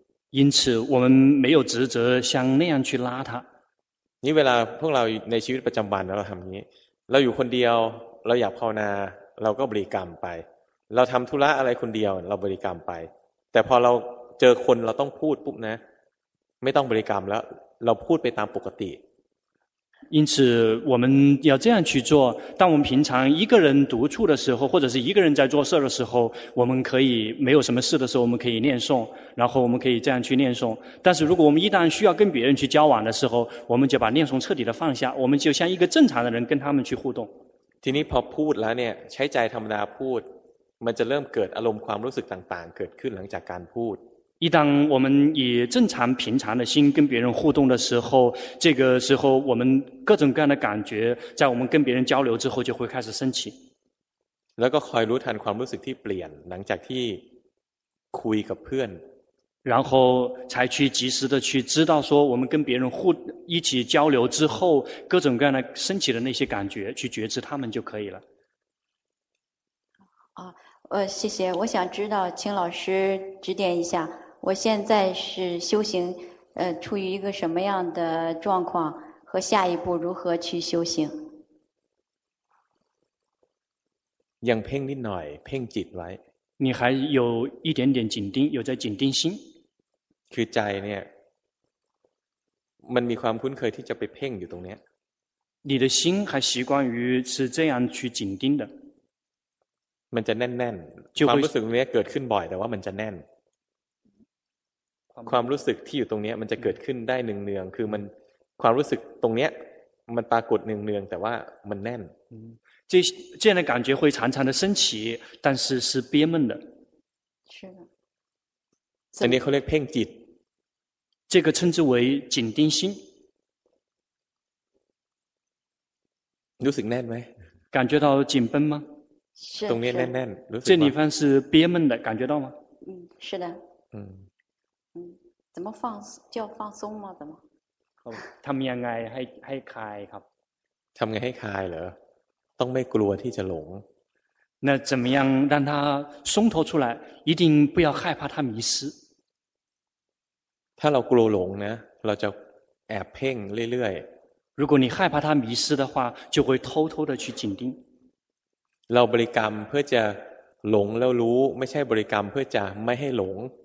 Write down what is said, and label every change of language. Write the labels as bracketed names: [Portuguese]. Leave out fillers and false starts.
[Chinese] 因此我们没有职责像那样去拉它 [Thai] นี่เวลาพวกเราในชีวิตประจำวันเราทำนี้เราอยู่คนเดียวเราอยากภาวนาเราก็บริกรรมไปเราทำธุระอะไรคนเดียวเราบริกรรมไปแต่พอเราเจอคนเราต้องพูดปุ๊บนะไม่ต้องบริกรรมแล้วเราพูดไปตามปกติ [Chinese] 因此我们要这样去做当我们平常一个人独处的时候或者是一个人在做事的时候我们可以没有什么事的时候我们可以念诵然后我们可以这样去念诵但是如果我们一旦需要跟别人去交往的时候我们就把念诵彻底的放下我们就像一个正常的人跟他们去互动 [Thai] ทีนี้พอพูดแล้วเนี่ยใช้ใจธรรมดาพูดมันจะเริ่มเกิดอารมณ์ความรู้สึกต่างๆเกิดขึ้นหลังจากการพูด [Chinese] 一旦我们以正常平常的心跟别人互动的时候这个时候我们各种各样的感觉在我们跟别人交流之后就会开始升起 [Thai] แล้วก็คอยรู้ทันความรู้สึกที่เปลี่ยนหลังจากที่คุยกับเพื่อน [Chinese] 然后才去及时的去知道说我们跟别人互一起交流之后各种各样的升起的那些感觉去觉知他们就可以了。谢谢，我想知道请老师指点一下，我现在是修行处于一个什么样的状况，和下一步如何去修行。 [Thai] ยังเพ่งนิดหน่อยเพ่งจิตไว้ [Chinese] 你还有一点点紧盯有在紧盯心 [Thai] คือใจเนี่ยมันมีความคุ้นเคยที่จะไปเพ่งอยู่ตรงเนี้ย [Chinese] 你的心还习惯于是这样去紧盯的 [Thai] มันจะแน่นๆความรู้สึกเนี้ยเกิดขึ้นบ่อยแต่ว่ามันจะแน่นความรู้สึกที่อยู่ตรงเนี้ยมันจะเกิดขึ้นได้เนืองๆคือมันความรู้สึกตรงเนี้ยมันปรากฏเนืองๆแต่ว่ามันแน่น [Chinese] 这样的感觉会常常的升起，但是是憋闷的。是的。这个叫偏执。这个称之为紧盯心。 [Thai] รู้สึกแน่นไหม？ [Chinese] 感觉到紧绷吗？是。 [Thai] ตรงนี้แน่นแน่น。 [Chinese] 这里方是憋闷的，感觉到吗？嗯，是的。嗯。怎么放松？叫放松吗？怎么？ [Thai] ทำยังไงให้คลายครับ？ ทำยังไงให้คลายเหรอต้องไม่กลัวที่จะหลง [Chinese] 那怎么样让他松脱出来一定不要害怕他迷失 [Thai] ถ้าเรากลัวหลงนะเราจะแอบเพ่งเรื่อย [Chinese] ๆ如果你害怕他迷失的话就会偷偷的去紧盯 [Thai] เราบริกรรมเพื่อจะหลงแล้วรู้ไม่ใช่บริกรรมเพื่อจะไม่ให้หลง